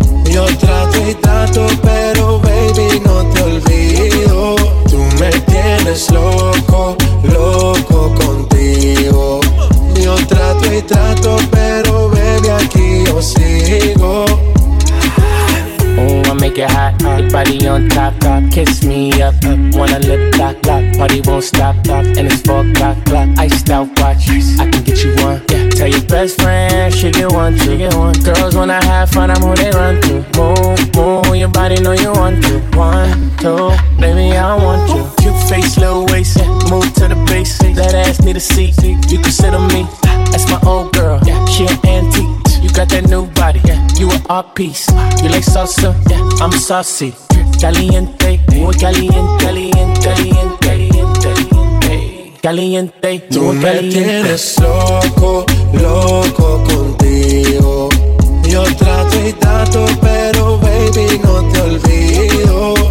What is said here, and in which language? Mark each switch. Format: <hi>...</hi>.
<es>Yo trato y trato, pero baby, no te olvido. Tú me tienes loco, loco contigo. Yo trato y trato, pero baby, aquí yo sigo.</es> <en>Make it hot, your body on top, top. Kiss me up, wanna lip lock, lock. Party won't stop, stop, and it's 4 o'clock. Iced out watch, I can get you one. Yeah. Tell your best friend, she get one, she get one. Girls wanna have fun, I'm who they run to. Move, move, your body know you want to. One, two, baby, I want you. Cute face, little waist, yeah. Move to the bass. That ass need a seat, you can sit on me. That's my old girl, yeah. She an antique. You got that new body, yeah. You an art piece. You like salsa, yeah. I'm saucy.</en> <es>Caliente, muy caliente, caliente, caliente, caliente, caliente. Tú me tienes loco, loco contigo. Yo trato y trato, pero baby no te olvido.</es>